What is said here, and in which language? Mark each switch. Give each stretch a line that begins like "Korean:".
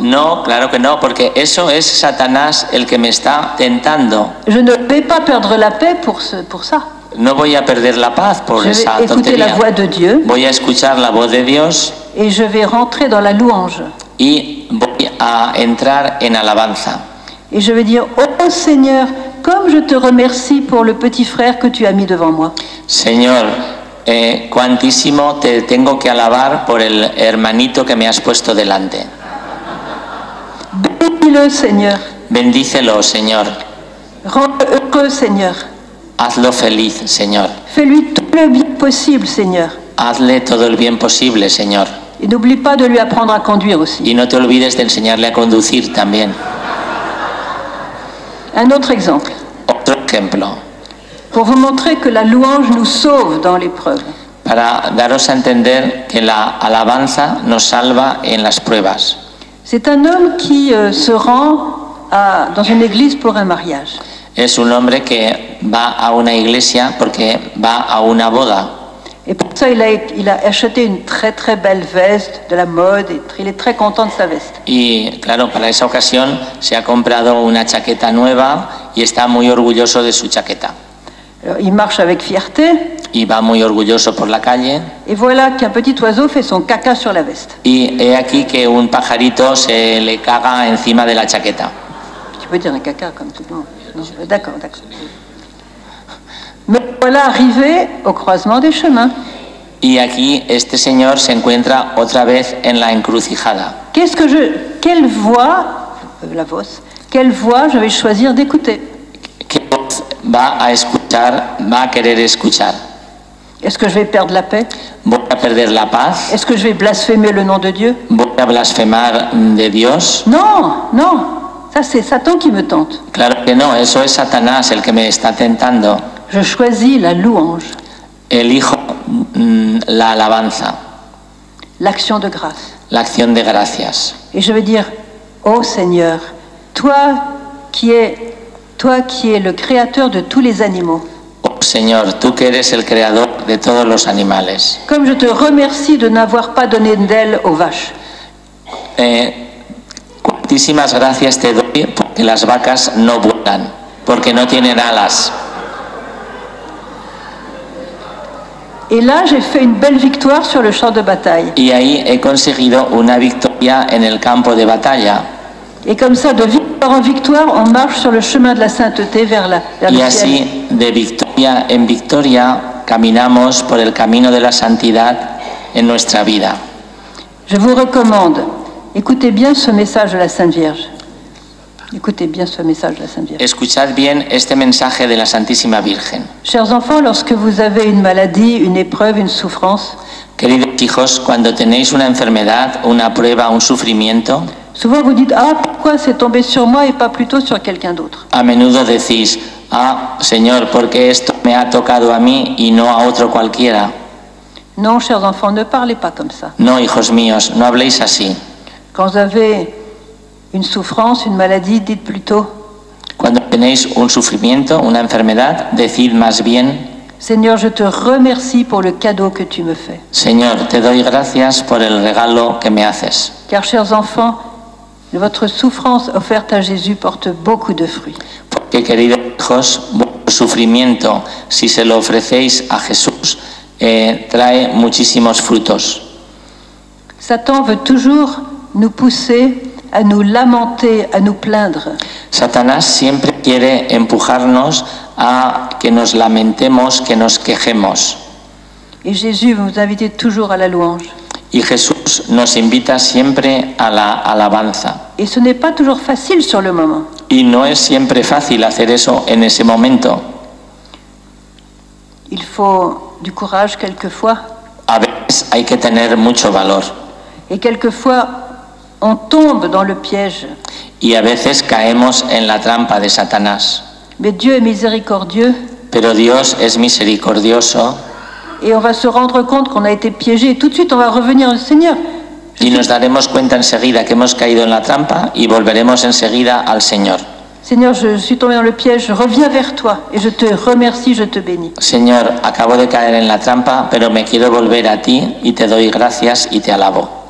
Spanish: No, claro que no, porque eso es Satanás el que me está tentando.
French: Je ne vais pas perdre la paix pour, ce, pour ça.
Spanish: No voy a perder la paz por
French: je
Spanish: esa
French: tontería. Je vais écouter la voix de Dieu.
Spanish: Voy a escuchar la voz de Dios.
French: Et je vais rentrer dans la louange.
Spanish: Y voy a entrar en alabanza.
French: Et je vais dire, oh Seigneur, comme je te remercie pour le petit frère que tu as mis devant moi.
Spanish: Señor, cuantísimo te tengo que alabar por el hermanito que me has puesto delante. Bendícelo, Señor. Bendícelo, Señor.
French: Rende heureux, Señor.
Spanish: Hazlo feliz, Señor.
French: Fais-lui tout le bien possible, Señor.
Spanish: Hazle todo el bien posible, Señor.
French: Y n'oublie pas de lui apprendre à conduire aussi.
Spanish: Y no te olvides de enseñarle a conducir también.
French: Un autre exemple.
Spanish: Otro ejemplo.
French: Pour vous montrer que la louange nous sauve dans l'épreuve.
Spanish: Para daros a entender que la alabanza nos salva en las pruebas.
French: C'est un homme qui se rend à, dans une église pour un mariage.
Spanish: Es un hombre que va a una iglesia porque va a una boda.
French: Et pour ça, il a acheté une très très belle veste de la mode. Et il est très content de sa veste.
Spanish: Y claro, para esa ocasión se ha comprado una chaqueta nueva y está muy orgulloso de su chaqueta.
French: Alors, il marche avec fierté.
Spanish: Y va muy orgulloso por la calle.
French: Et voilà qu'un petit oiseau fait son caca sur la veste.
Spanish: Y he aquí que un pajarito se le caga encima de la chaqueta.
French: Tu peux dire un caca comme tout le monde. Non, d'accord, d'accord. Mais voilà arrivé au croisement des chemins.
Spanish: Y aquí este señor se encuentra otra vez en la encrucijada.
French: Qu'est-ce que je, quelle voix, la voix, quelle voix je vais choisir d'écouter?
Spanish: Va a escuchar, va a querer escuchar.
French: Est-ce que je vais perdre la paix?
Spanish: Voy a perder la paz.
French: Est-ce que je vais blasphémer le nom de Dieu?
Spanish: Voy a blasfemar de Dios.
French: Non, non, ça c'est Satan qui me tente.
Spanish: Claro que no, eso es Satanás el que me está tentando.
French: Je choisis la louange.
Spanish: Elijo la alabanza.
French: L'action de grâce.
Spanish: L'acción de gracias.
French: Et je vais dire, oh Seigneur, toi qui es le créateur de tous les animaux.
Spanish: Oh Señor, tú que eres el creador de todos los animales.
French: Comme je te remercie de n'avoir pas donné d'ailes aux vaches.
Spanish: Cuantísimas gracias te doy porque las vacas no vuelan, porque no tienen alas.
French: Et là, j'ai fait une belle victoire sur le champ de bataille.
Spanish: Y ahí he conseguido una victoria en el campo de batalla.
French: Et comme ça, de victoire en victoire, on marche sur le chemin de la sainteté vers la vers
Spanish: y
French: le ciel.
Spanish: Y así, de victoria en victoria, caminamos por el camino de la santidad en nuestra vida.
French: Je vous recommande, écoutez bien ce message de la Sainte Vierge. Écoutez bien ce message de la Sainte Vierge.
Spanish: Escuchad bien este mensaje de la Santísima Virgen.
French: Chers enfants, lorsque vous avez une maladie, une épreuve, une souffrance.
Spanish: Queridos hijos, cuando tenéis una enfermedad, una prueba, un sufrimiento.
French: Souvent vous dites, ah, pourquoi c'est tombé sur moi et pas plutôt sur quelqu'un d'autre?
Spanish: A menudo decís, ah, Señor, porque esto me ha tocado a mí y no a otro cualquiera.
French: Non, chers enfants, ne parlez pas comme ça.
Spanish: No, hijos míos, no habléis así.
French: Quand vous avez une souffrance, une maladie, dites plutôt.
Spanish: Cuando tenéis un sufrimiento, una enfermedad, decid más bien.
French: Seigneur, je te remercie pour le cadeau que tu me fais.
Spanish: Señor, te doy gracias por el regalo que me haces.
French: Car, chers enfants, votre souffrance offerte à Jésus porte beaucoup de fruits.
Spanish: Porque, queridos hijos, vuestro sufrimiento, si se lo ofrecéis a Jesús, trae muchísimos frutos.
French: Satan veut toujours nous pousser à nous lamenter, à nous plaindre.
Spanish: Satanás siempre quiere empujarnos a que nos lamentemos, que nos quejemos.
French: Et Jésus veut nous inviter toujours à la louange.
Spanish: Y Jesús nos invita siempre a la alabanza.
French: Et ce n'est pas toujours facile sur le moment.
Spanish: Y no es siempre fácil hacer eso en ese momento.
French: Il faut du courage quelquefois.
Spanish: A veces hay que tener mucho valor.
French: Et quelquefois on tombe dans le piège.
Spanish: Y a veces caemos en la trampa de Satanás.
French: Mais Dieu est miséricordieux.
Spanish: Pero Dios es misericordioso.
French: Et on va se rendre compte qu'on a été piégé. Tout de suite, on va revenir au Seigneur.
Spanish: Y nos daremos cuenta enseguida que hemos caído en la trampa y volveremos enseguida al Señor.
French: Seigneur, je suis tombé dans le piège. Je reviens vers toi et je te remercie, je te bénis.
Spanish: Señor, acabo de caer en la trampa, pero me quiero volver a ti y te doy gracias y te alabo.